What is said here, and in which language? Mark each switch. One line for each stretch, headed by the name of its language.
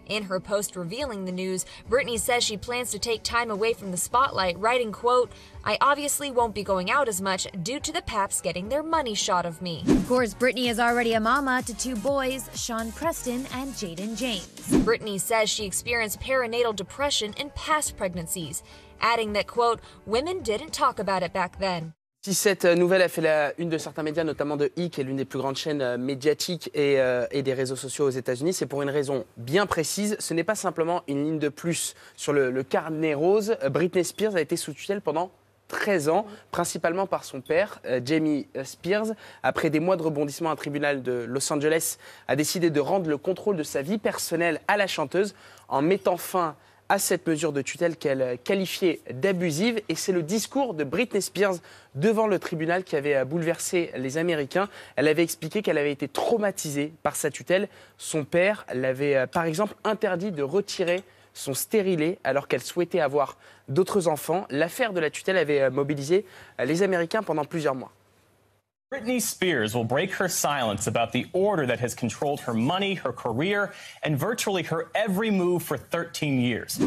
English: In her post revealing the news, Britney says she plans to take time away from the spotlight, writing, quote, I obviously won't be going out as much due to the paps getting their money shot of me. Of course, Britney is already a mama to two boys, Sean Preston and Jaden James. Britney says she experienced perinatal depression in past pregnancies, adding that, quote, women didn't talk about it back then.
French: Si cette nouvelle a fait la une de certains médias, notamment de E! Qui est l'une des plus grandes chaînes médiatiques et des réseaux sociaux aux États-Unis, c'est pour une raison bien précise. Ce n'est pas simplement une ligne de plus sur le carnet rose. Britney Spears a été sous tutelle pendant 13 ans, principalement par son père, Jamie Spears. Après des mois de rebondissements, un tribunal de Los Angeles a décidé de rendre le contrôle de sa vie personnelle à la chanteuse en mettant fin à cette mesure de tutelle qu'elle qualifiait d'abusive. Et c'est le discours de Britney Spears devant le tribunal qui avait bouleversé les Américains. Elle avait expliqué qu'elle avait été traumatisée par sa tutelle. Son père l'avait, par exemple, interdit de retirer son stérilet alors qu'elle souhaitait avoir d'autres enfants. L'affaire de la tutelle avait mobilisé les Américains pendant plusieurs mois.
English: Britney Spears will break her silence about the order that has controlled her money, her career, and virtually her every move for 13 years.